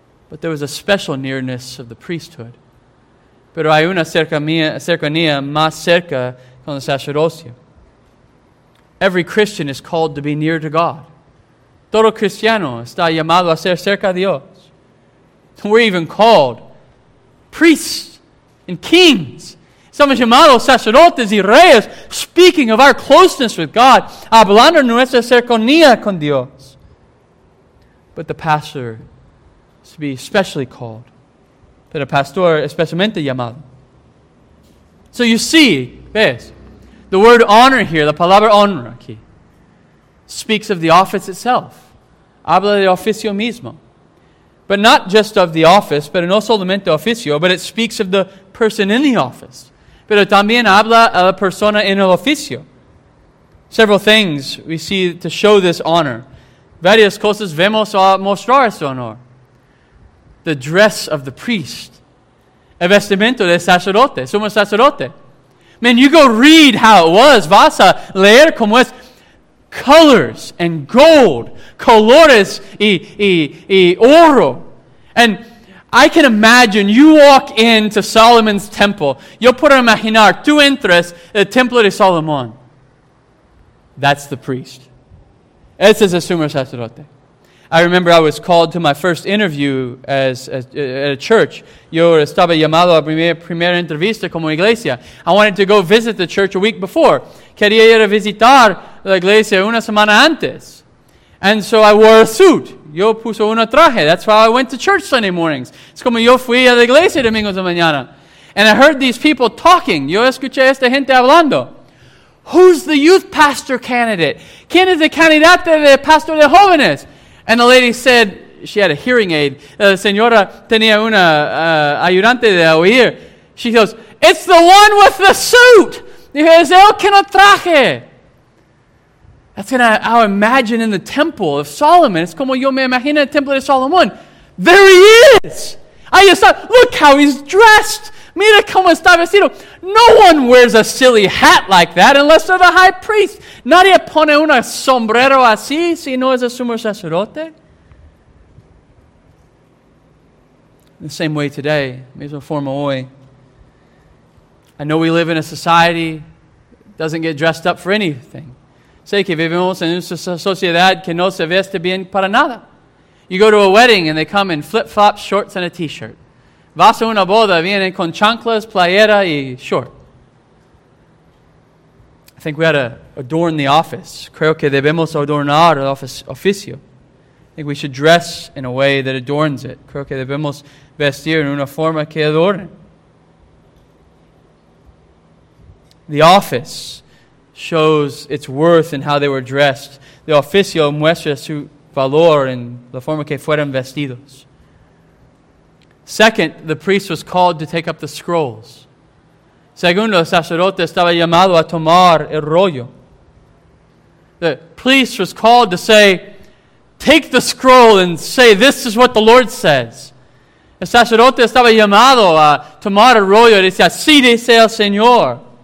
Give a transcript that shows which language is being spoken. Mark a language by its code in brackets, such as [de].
[en] But there was a special nearness of the priesthood. [es] pero hay una cercanía más cerca con el sacerdocio. [en] Every Christian is called to be near to God. [es] Todo cristiano está llamado a ser cerca de Dios. [en] We're even called priests and kings. [es] Somos llamados sacerdotes y reyes, [en] speaking of our closeness with God, [es] hablando nuestra cercanía con Dios. [en] But the pastor is to be especially called. [es] Pero pastor especialmente llamado. [en] So you see, [es] ves, [en] the word honor here, [es] la palabra honra aquí, [en] speaks of the office itself. [es] Habla de oficio mismo. [en] But not just of the office, [es] pero no solamente oficio, [en] but it speaks of the person in the office. [es] Pero también habla a la persona en el oficio. [en] Several things we see to show this honor. [es] Varias cosas vemos a mostrar este honor. [en] The dress of the priest. [es] El vestimento del sacerdote. Sumo sacerdote. [en] Man, you go read how it was. [es] Vas a leer cómo es. [en] Colors and gold. [es] Colores y oro. [en] And I can imagine you walk into Solomon's temple. [es] Yo puedo imaginar, tú entras el templo de Salomón. [en] That's the priest. [es] Ese es el sumo sacerdote. [en] I remember I was called to my first interview at a church. [es] Yo estaba llamado a primera entrevista como iglesia. [en] I wanted to go visit the church a week before. [es] Quería ir a visitar la iglesia una semana antes. [en] And so I wore a suit. [es] Yo puso un traje. [en] That's why I went to church Sunday mornings. [es] Es como yo fui a la iglesia domingos de mañana. [en] And I heard these people talking. [es] Yo escuché a esta gente hablando. [en] Who's the youth pastor candidate? [es] ¿Quién es el candidato de pastor de jóvenes? [en] And the lady said, she had a hearing aid. [es] La señora tenía una ayudante de oír. [en] She goes, it's the one with the suit. [es] Dije, es el que no traje. [en] That's going to, I'll imagine in the temple of Solomon. [es] It's como yo me imagino el templo de Salomón. [en] There he is. I just thought, look how he's dressed. [es] Mira cómo está vestido. [en] No one wears a silly hat like that unless they're the high priest. [es] Nadie pone un sombrero así si no es el sumo sacerdote. [en] In the same way today, [es] misma forma hoy. [en] I know we live in a society that doesn't get dressed up for anything. [es] Sé que vivimos en una sociedad que no se veste bien para nada. [en] You go to a wedding and they come in flip-flops, shorts, and a t-shirt. [es] Vas a una boda, vienen con chanclas, playera y short. [en] I think we ought to adorn the office. [es] Creo que debemos adornar el oficio. [en] I think we should dress in a way that adorns it. [es] Creo que debemos vestir en una forma que adorne. [en] The office shows its worth in how they were dressed. [es] The oficio muestra su valor en la forma que fueron vestidos. [en] Second, the priest was called to take up the scrolls. [es] Segundo, el sacerdote estaba llamado a tomar el rollo. [en] The priest was called to say, take the scroll and say, this is what the Lord says. [es] El sacerdote estaba llamado a tomar el rollo y decía, sí, dice el Señor.